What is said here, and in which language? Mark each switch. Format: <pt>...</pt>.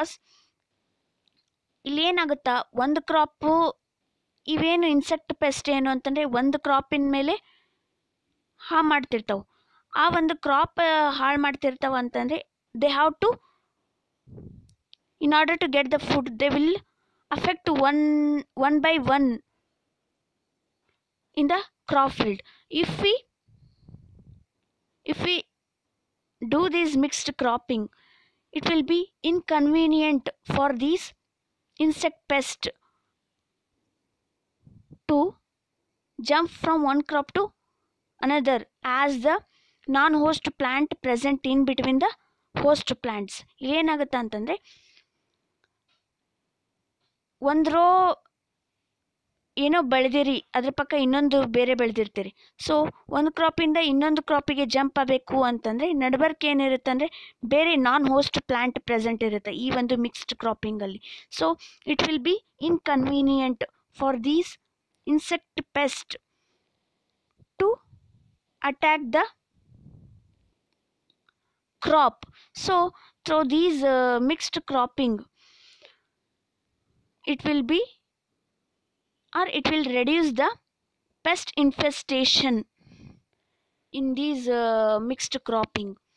<kn>Because ಇಲ್ಲಿ ಏನಾಗುತ್ತೆ, ಒಂದು ಕ್ರಾಪು ಇವೇನು ಇನ್ಸೆಕ್ಟ್ ಪೆಸ್ಟ್ ಏನು ಅಂತಂದರೆ ಒಂದು ಕ್ರಾಪಿನ ಮೇಲೆ ಹಾಳು ಮಾಡ್ತಿರ್ತಾವೆ. ಆ ಒಂದು ಕ್ರಾಪ್ ಹಾಳು ಮಾಡ್ತಿರ್ತಾವೆ ಅಂತಂದರೆ</kn> <en>They have to in order to get the food they will affect one by one in the crop field. If we do these mixed cropping, it will be inconvenient for these insect pest to jump from one crop to another as the non-host plant present in between the host plants.</en> <kn>ಏನಾಗುತ್ತೆ ಅಂತಂದರೆ ಒಂದ್ರೋ ಏನೋ ಬೆಳೆದಿರಿ, ಅದ್ರ ಪಕ್ಕ ಇನ್ನೊಂದು ಬೇರೆ ಬೆಳೆದಿರ್ತೀರಿ. So ಒಂದು ಕ್ರಾಪಿಂದ ಇನ್ನೊಂದು ಕ್ರಾಪಿಗೆ jump ಆಗಬೇಕು ಅಂತಂದರೆ ನಡುವರ್ಕ್ ಏನಿರುತ್ತೆ ಅಂದರೆ ಬೇರೆ ನಾನ್ ಹೋಸ್ಟ್ ಪ್ಲ್ಯಾಂಟ್ ಪ್ರೆಸೆಂಟ್ ಇರುತ್ತೆ ಈ ಒಂದು mixed ಕ್ರಾಪಿಂಗಲ್ಲಿ.</kn> <en>So it will be inconvenient for these insect pest to attack the crop. So through these mixed cropping, it will be or it will reduce the pest infestation in these mixed cropping.</en>